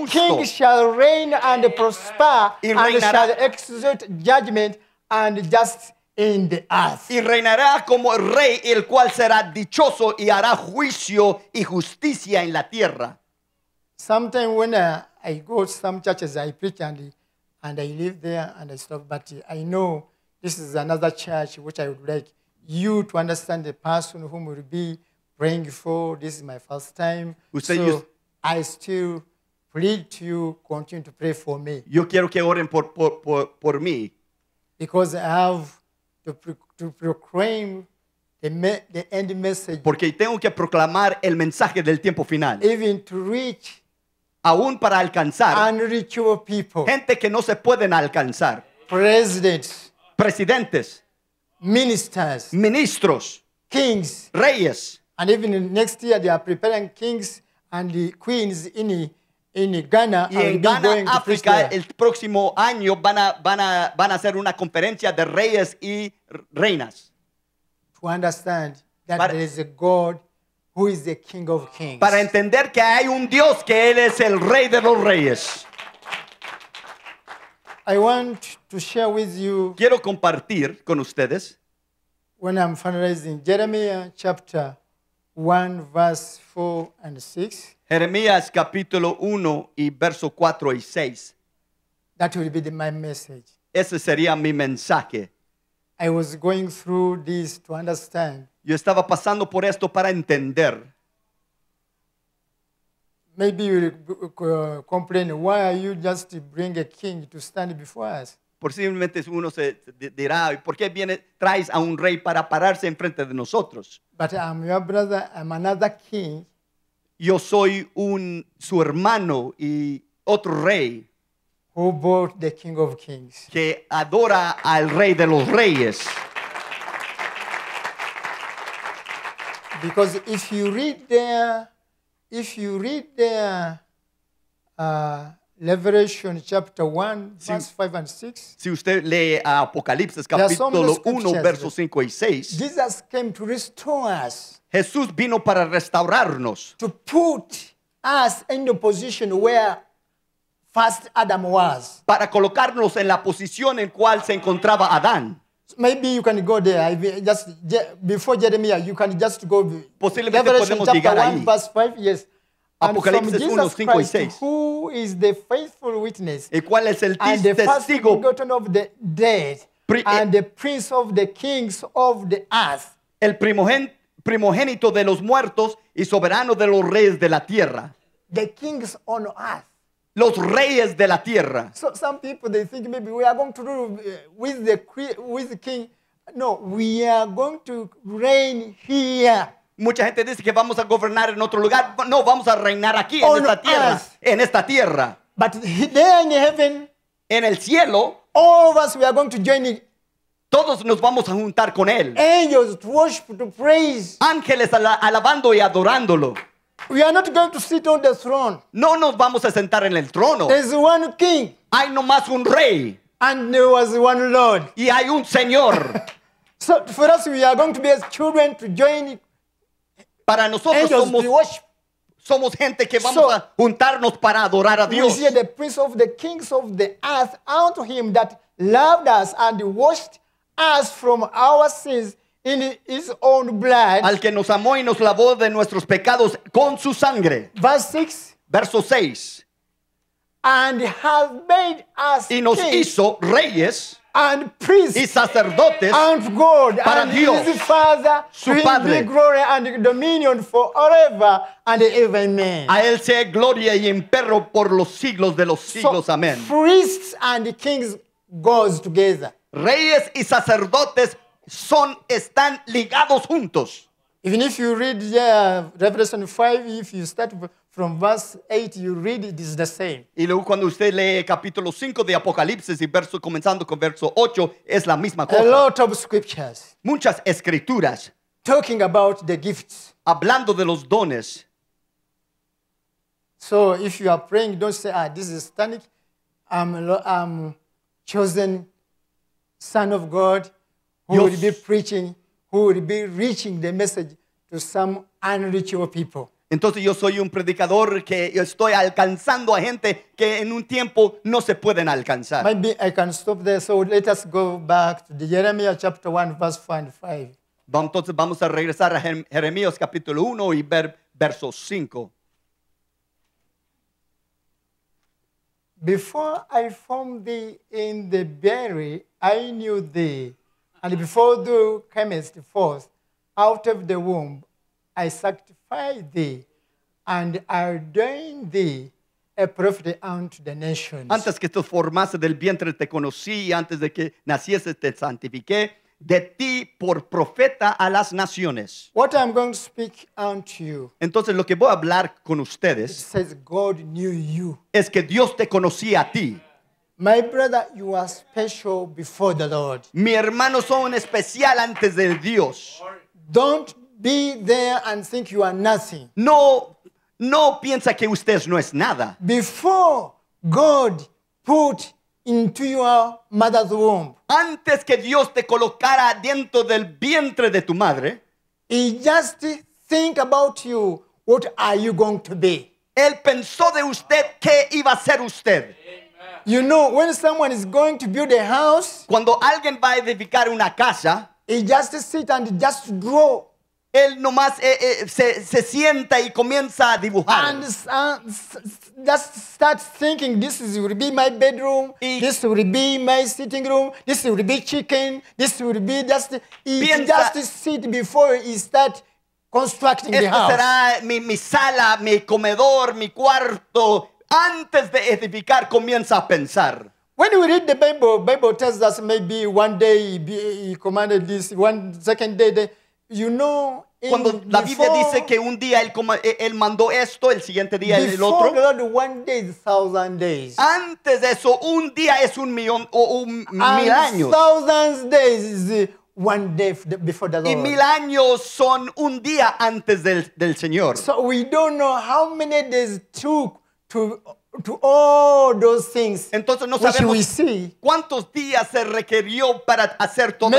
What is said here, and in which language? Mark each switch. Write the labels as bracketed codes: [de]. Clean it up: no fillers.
[en] And the king shall reign and prosper and shall exert judgment and just in the earth. [es] Y reinará como rey, el cual será dichoso y hará juicio y justicia en la tierra. [en] Sometimes when I go to some churches, I preach and I live there and I stop. But I know this is another church which I would like you to understand the person whom will be praying for. This is my first time. I still plead to you, continue to pray for me. [es] Yo quiero que oren por mí. [en] Because I have to proclaim the end message. [es] Porque tengo que proclamar el mensaje del tiempo final. [en] Even to reach. [es] Aún para alcanzar. [en] Unreachable people. [es] Gente que no se pueden alcanzar. [en] Presidents. [es] Presidentes. [en] Ministers. [es] Ministros. [en] Kings. [es] Reyes. [en] And even next year they are preparing kings and queens in Ghana, [es] y en Ghana, África, el próximo año van a hacer una conferencia de reyes y reinas. [en] To understand that there is a God who is the King of Kings. [es] Para entender que hay un Dios que Él es el Rey de los Reyes. [en] I want to share with you. [es] Quiero compartir con ustedes. [en] When I'm finalizing Jeremiah chapter 1, verse 4 and 6. [es] Jeremías capítulo 1 y verso 4 y 6. [en] That will be my message. [es] Ese sería mi mensaje. [en] I was going through this to understand. [es] Yo estaba pasando por esto para entender. [en] Maybe you complain, why are you just bring a king to stand before us? [es] Posiblemente uno se dirá, ¿por qué viene, traes a un rey para pararse en frente de nosotros? [en] But I'm your brother, I'm another king. [es] Yo soy un su hermano y otro rey. [en] Who bought the King of Kings? [es] Que adora al Rey de los Reyes. [en] Because if you read there, Revelation chapter 1, si, verse 5 and 6. [es] Si usted lee a Apocalipsis capítulo 1, versos 5 y 6. [en] Jesus came to restore us. [es] Jesús vino para restaurarnos. [en] To put us in the position where first Adam was. [es] Para colocarnos en la posición en cual se encontraba Adán. [en] Maybe you can go there. Just before Jeremiah, you can just go. [es] Posiblemente Revelation podemos llegar ahí. [en] Verse 5, yes. [es] Apocalipsis 1, 5 [en] Christ, [es] y 6. [en] Who is the faithful witness? [es] ¿Y cuál es el [en] and the [es] testigo? [en] First begotten of the dead. And the prince of the kings of the earth. [es] El primogénito de los muertos y soberano de los reyes de la tierra. [en] The kings on earth. [es] Los reyes de la tierra. [en] So some people they think maybe we are going to rule with the king. No, we are going to reign here. [es] Mucha gente dice que vamos a gobernar en otro lugar. No, vamos a reinar aquí [en] on [es] en esta tierra. [en] Earth. [es] En esta tierra. [en] But there in heaven. [es] En el cielo. [en] All of us we are going to join. [es] Todos nos vamos a juntar con él. [en] Angels to worship to praise. [es] Ángeles alabando y adorándolo. [en] We are not going to sit on the throne. [es] No nos vamos a sentar en el trono. [en] There's one king. [es] Hay nomás un rey. [en] And there was one Lord. [es] Y hay un señor. [en] So for us we are going to be as children to join. [es] Para nosotros [en] angels [es] somos [en] to worship. [es] Somos gente que vamos a juntarnos para adorar a Dios. [en] We see the prince of the kings of the earth unto him that loved us and washed us from our sins in his own blood. [es] Al que nos amó y nos lavó de nuestros pecados con su sangre. [en] Verse 6. [es] Verso 6. [en] And have made us [es] y nos hizo reyes [en] and priests [es] y sacerdotes [en] and God [es] para [en] and [es] Dios, [en] his father [es] su padre. [en] Be glory and dominion forever and ever. Amen. [es] A él sea gloria y imperio por los siglos de los siglos. [en] So, [es] amen. [en] Priests and kings goes together. [es] Reyes y sacerdotes son están ligados juntos. [en] Even if you read Revelation 5, if you start from verse 8, you read it is the same. [es] Y luego cuando usted lee capítulo 5 de Apocalipsis y verso comenzando con verso 8 es la misma cosa. [en] A lot of scriptures. [es] Muchas escrituras. [en] Talking about the gifts. [es] Hablando de los dones. [en] So if you are praying, don't say, "Ah, this is satanic. I'm chosen son of God who will be preaching, who will be reaching the message to some unreachable people." [es] Entonces yo soy un predicador que estoy alcanzando a gente que en un tiempo no se pueden alcanzar. [en] Maybe I can stop there, so let us go back to the Jeremiah chapter 1, verse 4 and 5. [es] Entonces vamos a regresar a Jeremías capítulo 1 y verso 5. [en] Before I formed thee in the belly, I knew thee. And before thou camest forth out of the womb, I sanctified thee and ordained thee a prophet unto the nations. [es] Antes que te formase del vientre te conocí, y antes de que nacieses te santifiqué, de ti por profeta a las naciones. [en] What I'm going to speak unto you. [es] Entonces lo que voy a hablar con ustedes. [en] It says God knew you. [es] Es que Dios te conocía a ti. [en] My brother, you are special before the Lord. [es] Mi hermano son especial antes de Dios. [en] Don't be there and think you are nothing. [es] No, no piensa que usted no es nada. [en] Before God put into your mother's womb. [es] Antes que Dios te colocara dentro del vientre de tu madre. [en] He just think about you. What are you going to be? [es] Él pensó de usted qué iba a ser usted. [en] You know, when someone is going to build a house. [es] Cuando alguien va a edificar una casa. [en] He just sit and just draw. [es] Él nomás se sienta y comienza a dibujar. [en] And just start thinking, this is will be my bedroom, y this will be my sitting room, this will be chicken, this will be just, piensa, just sit before he start constructing the house. [es] Esta será mi sala, mi comedor, mi cuarto. Antes de edificar, comienza a pensar. [en] When we read the Bible, tells us maybe one day he commanded this, one second day, you know. [es] Cuando la Biblia dice que un día él mandó esto, el siguiente día el otro. [en] Before the Lord, one day is 1,000 days. [es] Antes de eso, un día es un millón o un mil años. [en] And thousands days is one day before the Lord. [es] Y mil años son un día antes del Señor. [en] So we don't know how many days took to all those things. [es] Entonces no sabemos cuántos días se requirió para hacer todas